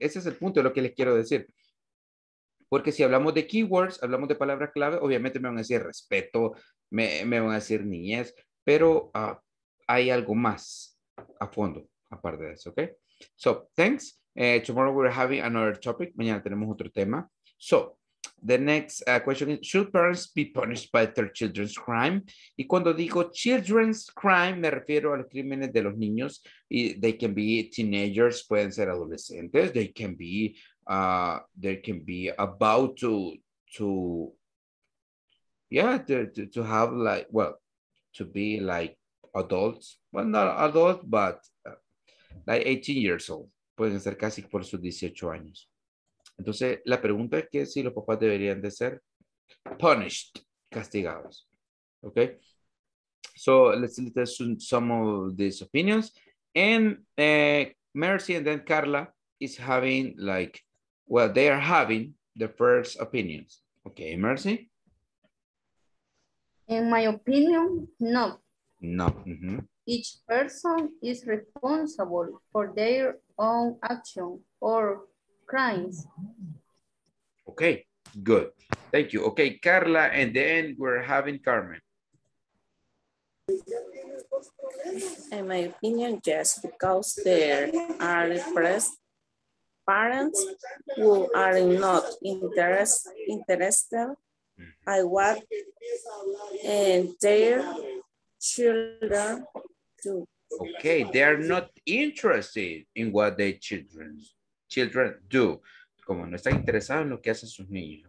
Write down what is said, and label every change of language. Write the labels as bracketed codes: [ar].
[es] Ese es el punto de lo que les quiero decir. Porque si hablamos de keywords, hablamos de palabras clave, obviamente me van a decir respeto, me van a decir niñez, pero hay algo más a fondo, aparte de eso, ¿ok? [en] So, thanks. Tomorrow we're having another topic. [es] Mañana tenemos otro tema. [en] So, the next question is, should parents be punished by their children's crime? [es] Y cuando digo [en] children's crime, [es] me refiero a los crímenes de los niños. [en] Y they can be teenagers, [es] pueden ser adolescentes. [en] They can be about to have like, well, to be like adults. Well, not adult, but like 18 years old. [es] Pueden ser casi por sus 18 años. Entonces, la pregunta es que si los papás deberían de ser punished, castigados. [en] Okay? So, let's listen to some of these opinions. And Mercy and then Carla is having like, well, they are having the first opinions. Okay, Mercy? In my opinion, no. No. Mm-hmm. Each person is responsible for their own action or crimes. Okay, good. Thank you. Okay, Carla, and then we're having Carmen. In my opinion, yes, because there are repressed parents who are not interested by what their children do. Okay, they are not interested in what their children do. [es] Como no están interesados en lo que hacen sus niños.